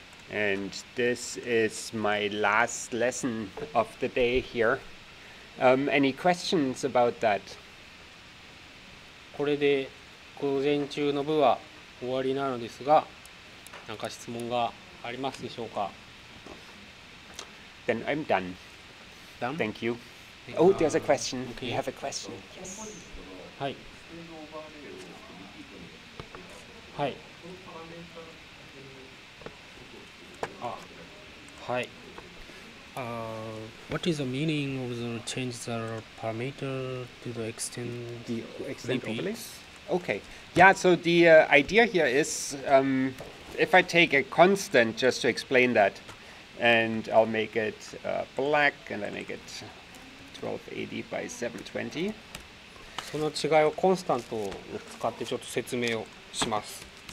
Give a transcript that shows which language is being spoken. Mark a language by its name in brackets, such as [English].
[English] And this is my last lesson of the day here. Any questions about that? [Japanese] これで午前中の部は終わりなのですが、何か質問がありますでしょうか? [English] Then I'm done. Done? Thank you. Oh, there's a question. Okay. You have a question. Yes. [Japanese] はい。はい。 [English] Hi. What is the meaning of the change the parameter to the extent? The extent overlay. Okay. Yeah. So the idea here is, if I take a constant, just to explain that, and I'll make it black, and I make it 1280 by 720. [Japanese] その違いをコンスタントを使ってちょっと説明をします。